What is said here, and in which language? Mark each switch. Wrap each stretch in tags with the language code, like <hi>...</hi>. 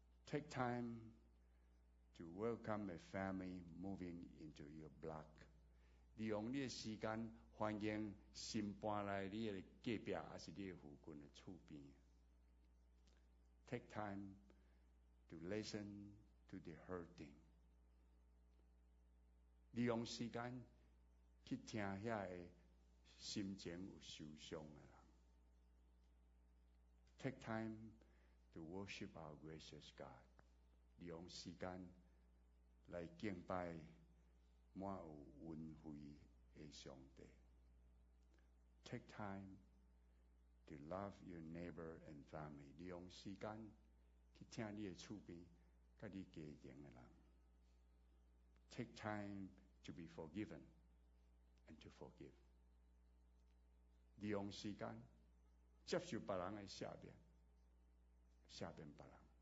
<en>Take time to welcome a family moving into your block。</en> <nan>利用你的时间欢迎新搬来你的隔壁还是你的附近的厝边。</nan> <en>Take time to listen to the hurting。</en> <nan>利用时间去听遐个。心情有受伤的人 ，</nan> <en>Take time to worship our gracious God。</en> <nan>利用时间来敬拜满有恩惠的上帝。</nan> <en>Take time to love your neighbor and family。</en> <nan>利用时间去听你的厝边、甲你家庭的人。</nan> <en>Take time to be forgiven and to forgive。</en> <nan>利用时间接受别人的赦免，赦免别人。</nan>